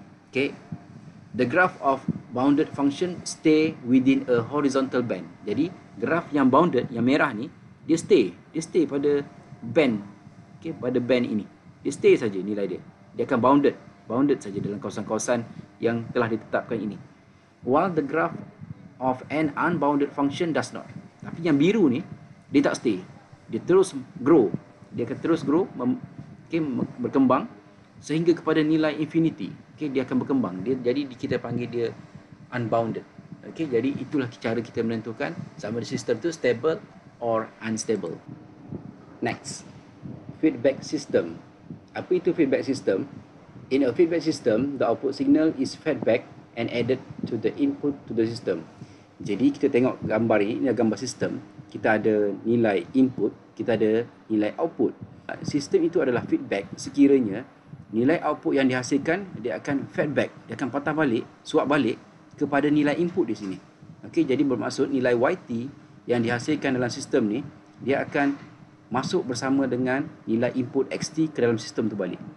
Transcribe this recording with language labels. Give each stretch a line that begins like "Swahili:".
English: Okey, the graph of bounded function stay within a horizontal band.
Malay: Jadi graph yang bounded yang merah ni dia stay pada band. Okey, pada band ini dia stay saja nilai dia. Dia akan bounded saja dalam kawasan-kawasan yang telah ditetapkan ini.
English: While the graph of an unbounded function does not.
Malay: Tapi yang biru ni dia tak stay. Dia terus grow. Dia akan terus grow, berkembang sehingga kepada nilai infinity. Okey, dia akan berkembang. Jadi kita panggil dia unbounded. Okey, jadi itulah cara kita menentukan sama ada sistem tu stable or unstable. Next, feedback system. Apa itu feedback system?
English: In a feedback system, the output signal is fed back and added to the input to the system.
Malay: Jadi kita tengok gambar ini, ini adalah gambar sistem. Kita ada nilai input, kita ada nilai output. Sistem itu adalah feedback. Sekiranya nilai output yang dihasilkan, dia akan fed back, dia akan patah balik, suap balik kepada nilai input di sini. Okey, jadi bermaksud nilai YT yang dihasilkan dalam sistem ni, dia akan masuk bersama dengan nilai input XT ke dalam sistem tu balik.